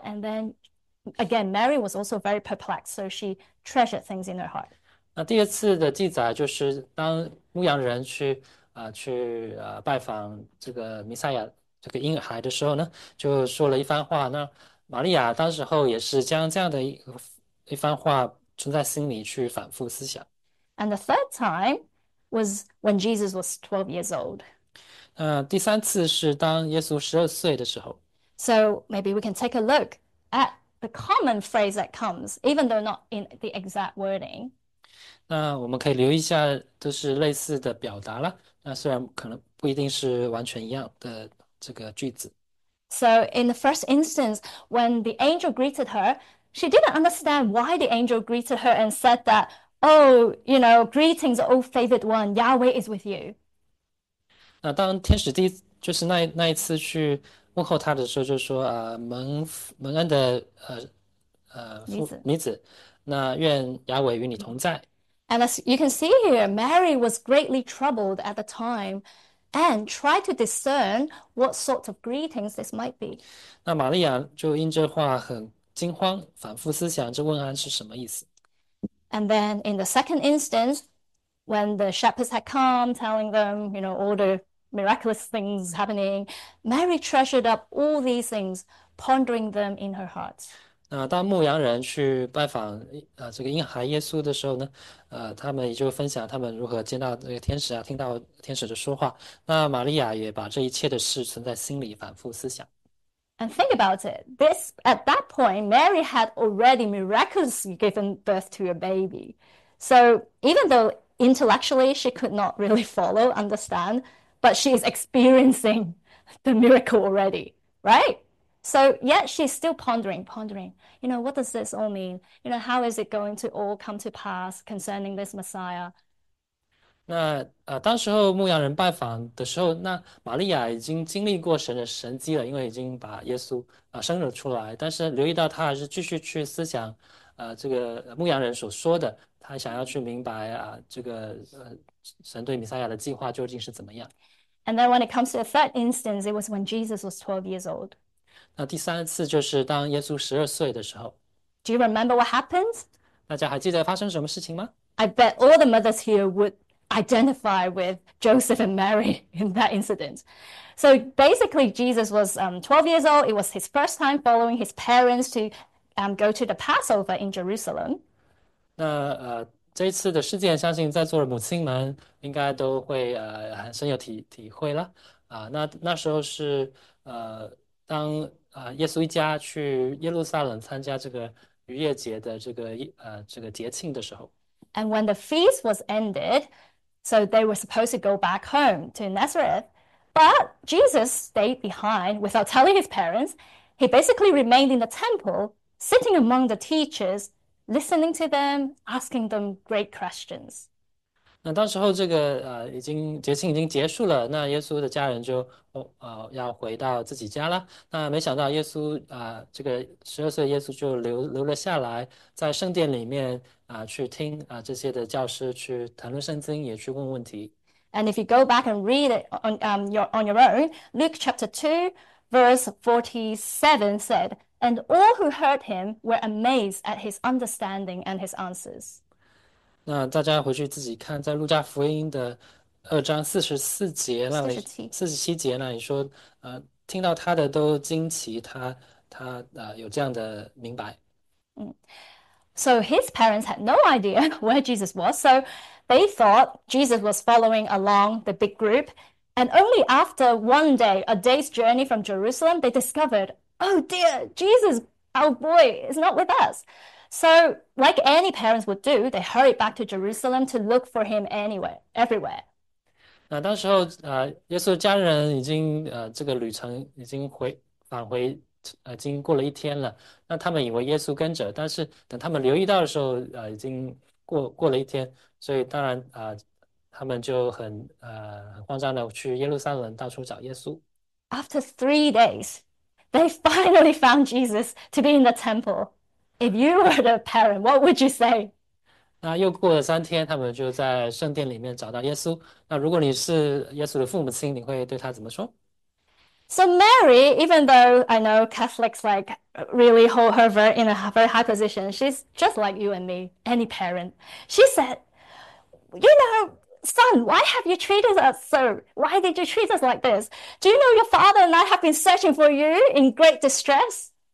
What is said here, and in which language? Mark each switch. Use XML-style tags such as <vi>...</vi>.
<en>And then again, Mary was also very perplexed, so she treasured things in her heart.</en> <zh>那第二次的记载就是当牧羊人去拜访这个弥赛亚这个婴孩的时候呢，就说了一番话。那玛利亚当时候也是将这样的一番话存在心里去反复思想。</zh> <en>And the third time was when Jesus was 12 years old.</en> <zh>那第三次是当耶稣12岁的时候。</zh> <en>So maybe we can take a look at the common phrase that comes, even though not in the exact wording.</en> <zh>那我们可以留意一下，都是类似的表达了。那虽然可能不一定是完全一样的这个句子。</zh> <en>So in the first instance, when the angel greeted her, she didn't understand why the angel greeted her and said that. Oh, greetings, O favored one. Yahweh is with you.</en> <zh>那当天使第一就是那一次去问候他的时候，就说蒙恩的女子。女子，那愿雅伟与你同在。</zh> <en>And as you can see here, Mary was greatly troubled at the time and tried to discern what sort of greetings this might be.</en> <zh>那玛利亚就因这话很惊慌，反复思想这问安是什么意思。</zh> <en>And then in the second instance, when the shepherds had come telling them, all the miraculous things happening, Mary treasured up all these things, pondering them in her heart.</en> <zh>那当牧羊人去拜访这个婴孩耶稣的时候呢，他们也就分享他们如何见到这个天使啊，听到天使的说话。那玛利亚也把这一切的事存在心里，反复思想。</zh> <en>And think about it. This at that point, Mary had already miraculously given birth to a baby. So even though intellectually she could not really follow, understand, but she is experiencing the miracle already, right? So yet she's still pondering. What does this all mean? How is it going to all come to pass concerning this Messiah?</en> <zh>那当时候牧羊人拜访的时候，那玛利亚已经经历过神的神迹了，因为已经把耶稣生了出来。但是留意到他还是继续去思想，这个牧羊人所说的，他想要去明白这个神对弥赛亚的计划究竟是怎么样。</zh> <en>And then, when it comes to the third instance, it was when Jesus was 12 years old.</en> <zh>那第三次就是当耶稣12岁的时候，</zh> <en>Do you remember what happened?</en> <zh>大家还记得发生什么事情吗？</zh> <en>I bet all the mothers here would identify with Joseph and Mary in that incident. So basically, Jesus was 12 years old. It was his first time following his parents to go to the Passover in Jerusalem.</en> <zh>那这一次的事件，相信在座的母亲们应该都会很深有体会了那时候是当耶稣一家去耶路撒冷参加这个逾越节的这个节庆的时候。</zh> <en>And when the feast was ended, so they were supposed to go back home to Nazareth, but Jesus stayed behind without telling his parents. He basically remained in the temple, sitting among the teachers, listening to them, asking them great questions.</en> <zh>那当时候，这个已经节庆已经结束了，那耶稣的家人就要回到自己家了。那没想到耶稣这个12岁耶稣就留了下来，在圣殿里面去听这些的教师去谈论圣经，也去问问题。</zh> <en>And if you go back and read it on your own, Luke chapter 2, verse 47 said, "And all who heard him were amazed at his understanding and his answers."</en> <zh>那大家回去自己看，在路加福音的2章44节那里，47节那里说，听到他的都惊奇他有这样的明白。</zh> <en>So his parents had no idea where Jesus was, so they thought Jesus was following along the big group. And only after one day, a day's journey from Jerusalem, they discovered, oh dear, Jesus, our boy, is not with us. So, like any parents would do, they hurried back to Jerusalem to look for him anywhere, everywhere.</en> <zh>那当时候，耶稣的家人已经这个旅程已经返回，已经过了一天了。那他们以为耶稣跟着，但是等他们留意到的时候，已经过了一天，所以当然他们就很慌张的去耶路撒冷到处找耶稣。</zh> <en>After 3 days, they finally found Jesus to be in the temple. If you were the parent, what would you say?</en> <zh>那又过了3天，他们就在圣殿里面找到耶稣。那如果你是耶稣的父母亲，你会对他怎么说？</zh> <en>So Mary, even though I know Catholics like really hold her very in a very high position, she's just like you and me, any parent. She said, "Son, why have you treated us so? Why did you treat us like this? Do you know your father and I have been searching for you in great distress?"</en>